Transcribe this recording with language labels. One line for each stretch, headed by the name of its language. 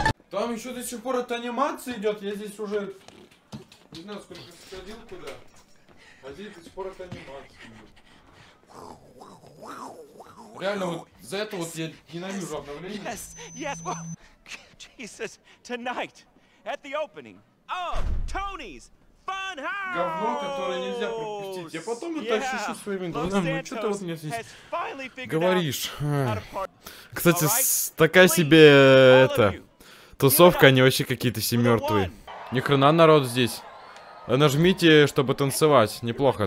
Russian: Там еще до сих пор эта анимация идет. Я здесь уже не знаю, сколько сходил куда. А здесь до сих пор эта анимация идет. Реально, вот за это вот я ненавижу обновление.
English: At the opening of Tony's Funhouse!
Russian: Говно, которое нельзя пропустить. Я потом это ощущу своими глазами. Ну что ты вот мне здесь говоришь? Кстати, такая себе это тусовка, они вообще какие-то все мертвые. Ни хрена народ здесь. Нажмите, чтобы танцевать. Неплохо.